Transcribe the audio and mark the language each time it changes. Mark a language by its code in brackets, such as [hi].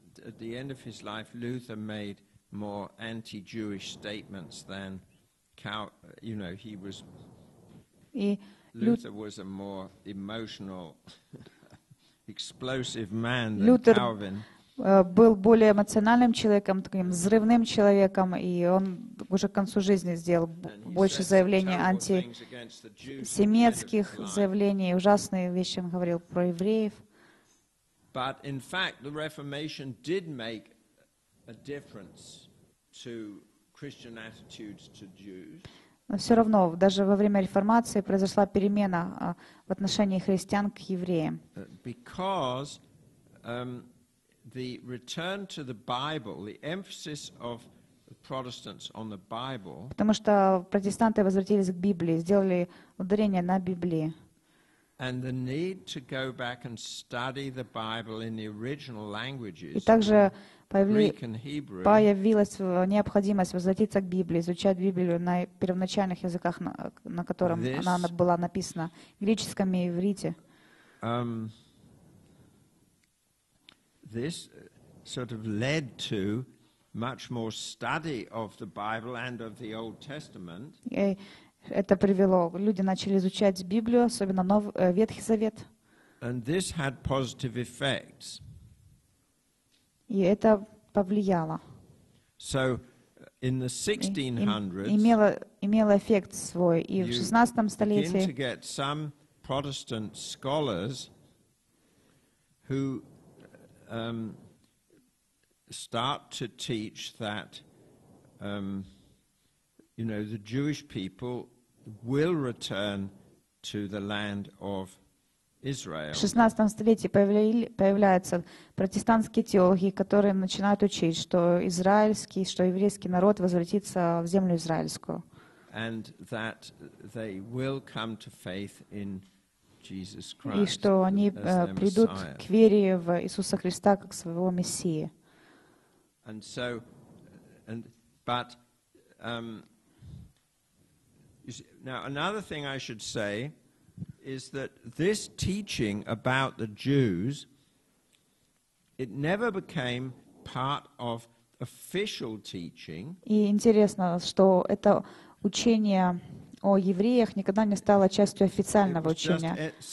[en] at the end of his life, Luther made more anti-Jewish statements than, you know, he was. Luther was a more emotional, explosive man than Luther Calvin. [ru] Был более эмоциональным человеком, таким взрывным человеком, и он уже к концу жизни сделал больше заявлений антисемитских заявлений, ужасные вещи он говорил про евреев. [en] But in fact, the Reformation did make a difference to Christian attitudes to Jews. [ru] Но все равно, даже во время Реформации произошла перемена в отношении христиан к евреям. [en] Because the return to the Bible, the emphasis of Protestants on the Bible. [ru] Потому что протестанты возвратились к Библии, сделали ударение на Библии. [en] And the need to go back and study the Bible in the original languages. [ru] И также появилась необходимость возвратиться к Библии, изучать Библию на первоначальных языках, на котором она была написана, греческом и иврите. [en] This sort of led to much more study of the Bible and of the Old Testament. [ru] Это привело. Люди начали изучать Библию, особенно Ветхий Завет. [en] And this had positive effects. [ru] И это повлияло. [en] So in the 1600s, [ru] имело эффект свой. И в 16-м столетии [en] begin to get some Protestant scholars who start to teach that, you know, the Jewish people will return to the land of Israel. [ru] В 16-м столетии появляются протестантские теологи, которые начинают учить, что израильский, что еврейский народ возвратится в землю израильскую. [en] And that they will come to faith in Jesus Christ. [ru] И что они придут к вере в Иисуса Христа как своего Мессии. [en] And so, and but you see, now another thing I should say is that this teaching about the Jews, it never became part of official teaching. [ru] И интересно, что это учение о евреях никогда не стало частью официального учения.